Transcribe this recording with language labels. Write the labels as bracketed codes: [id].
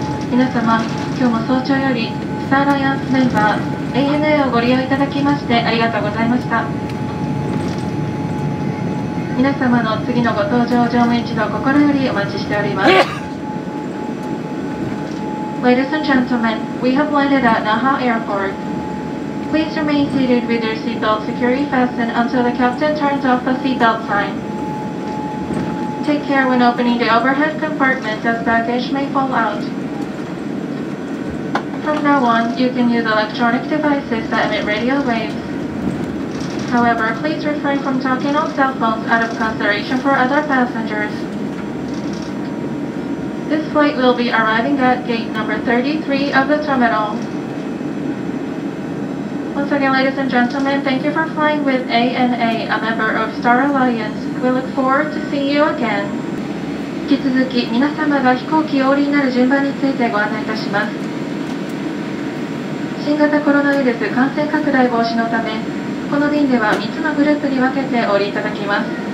[ja] 皆様、今日も早朝よりスターライアンスメンバーANA をご利用いただきましてありがとうございました。皆様の次のご搭乗を乗務一同心よりお待ちしております。 [en] Ladies and gentlemen, we have landed at Naha Airport. Please remain seated with your seatbelt securely fastened until the captain turns off the seatbelt sign. Take care when opening the overhead compartment as baggage may fall outFrom now on, you can use electronic devices that emit radio waves. However, please refrain from talking on cell phones out of consideration for other passengers. This flight will be arriving at gate number 33 of the terminal. Once again, ladies and gentlemen, thank you for flying with ANA, a member of Star Alliance. We look forward to seeing you again. [ja] 引き続き、皆様が飛行機をお降りになる順番についてご案内いたします。新型コロナウイルス感染拡大防止のため、この便では3つのグループに分けてお降りいただきます。